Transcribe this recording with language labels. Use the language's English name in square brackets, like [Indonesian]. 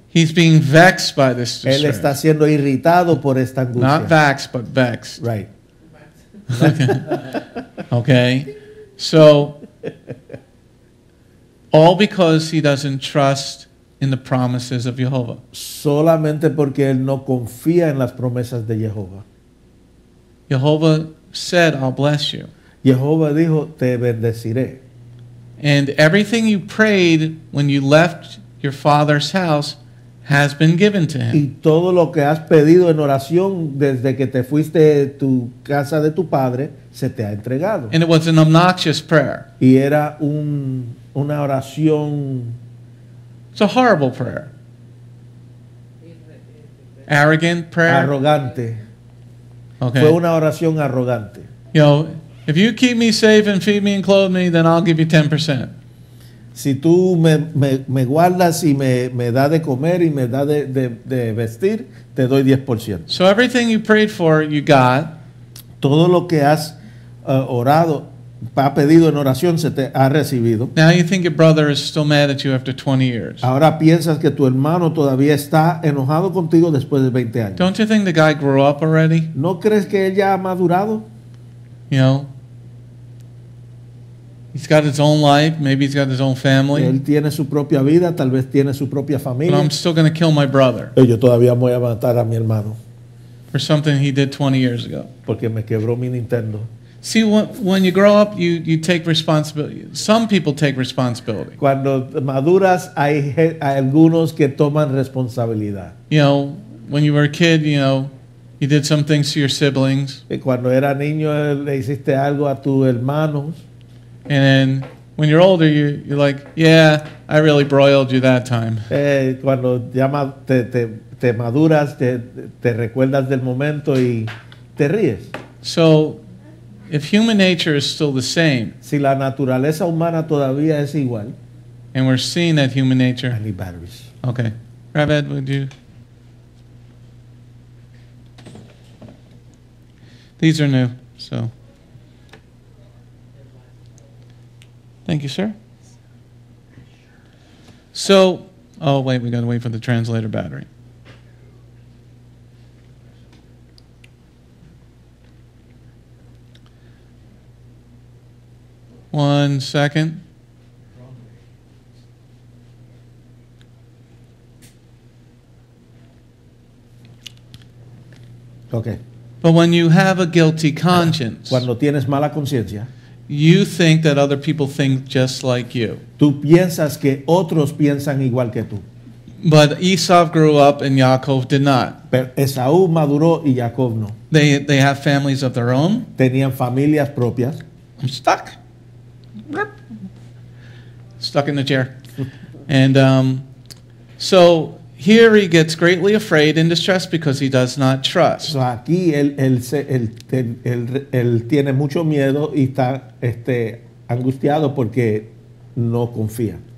[English] He's being vexed by this distress. [Spanish] Él está siendo irritado por esta angustia. [English] Not vexed, but vexed. Right. Okay. So, all because he doesn't trust in the promises of Jehovah. [Spanish] Solamente porque él no confía en las promesas de Jehovah. [English] Jehovah said, I'll bless you. [Spanish] Jehovah dijo, te bendeciré. [English] And everything you prayed when you left your father's house has been given to him. [Spanish] Y todo lo que has pedido en oración desde que te fuiste de tu casa de tu padre, se te ha entregado. [English] And it was an obnoxious prayer. [Spanish] Y era una oración. [English] It's a horrible prayer. Arrogant prayer. [Spanish] Arrogante. [English] Okay. [Spanish] Fue una oración arrogante. [English] You know, if you keep me safe and feed me and clothe me, then I'll give you 10%. [Spanish] Si tú me guardas y me da de comer y me da de vestir, te doy 10%. [English] So everything you prayed for, you got. [Spanish] Todo lo que has orado, ha pedido en oración, se te ha recibido. [English] Now you think your brother is still mad at you after 20 years. [Spanish] Ahora piensas que tu hermano todavía está enojado contigo después de 20 años. [English] Don't you think the guy grew up already? [Spanish] ¿No crees que él ya ha madurado? [English] You know, he's got his own life. Maybe he's got his own family. [Spanish] Él tiene su propia vida. Tal vez tiene su propia familia. [English] But I'm still going to kill my brother. [Spanish] Yo todavía voy a matar a mi hermano. [English] For something he did 20 years ago. [Spanish] Porque me quebró mi Nintendo. [English] See, when you grow up, you take responsibility. Some people take responsibility. [Spanish] Cuando maduras, hay algunos que toman responsabilidad. [English] You know, when you were a kid, you know. You did some things to your siblings. [Spanish] Cuando era niño, le hiciste algo a tus hermanos. [English] And then When you're older, you're like, yeah, I really broiled you that time. [Spanish] Cuando ya te maduras, te recuerdas del momento y te ríes. [English] So, if human nature is still the same, [Spanish] si la naturaleza humana todavía es igual, [English] and we're seeing that human nature, I need batteries. Okay. Rabbi Ed, would you? These are new, so. Thank you, sir. So, oh, wait, we got to wait for the translator battery. One second. Okay. But when you have a guilty conscience, [Spanish] cuando tienes mala conciencia, [English] you think that other people think just like you. [Spanish] Tú piensas que otros piensan igual que tú. [English] But Esau grew up and Yaakov did not. [Spanish] Pero Esaú maduró y Jacob no. [English] They have families of their own. [Spanish] Tenían familias propias. [English] I'm stuck. Stuck in the chair. And so here he gets greatly afraid and distressed because he does not trust. [Spanish] So aquí él tiene mucho miedo y está angustiado porque no confía.